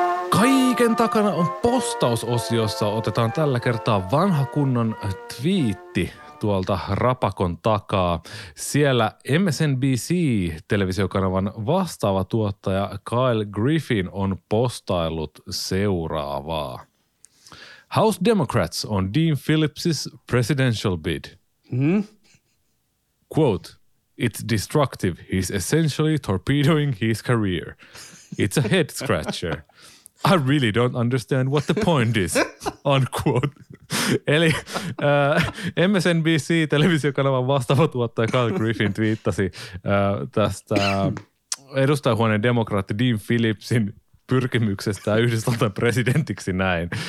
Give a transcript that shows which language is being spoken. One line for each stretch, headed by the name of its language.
Finnish: Kaiken takana on postausosiossa. Otetaan tällä kertaa vanha kunnon twiitti tuolta Rapakon takaa. Siellä MSNBC-televisiokanavan vastaava tuottaja Kyle Griffin on postaillut seuraavaa.
English: House Democrats on Dean Phillips' presidential bid. Mm-hmm. Quote, it's destructive. He's essentially torpedoing his career. It's a head scratcher. I really don't understand what the point is, unquote.
Finnish: Eli MSNBC-televisiokanavan vastaava tuottaja Kyle Griffin twiittasi tästä edustajahuoneen demokraatti Dean Phillipsin pyrkimyksestä Yhdysvaltain presidentiksi näin.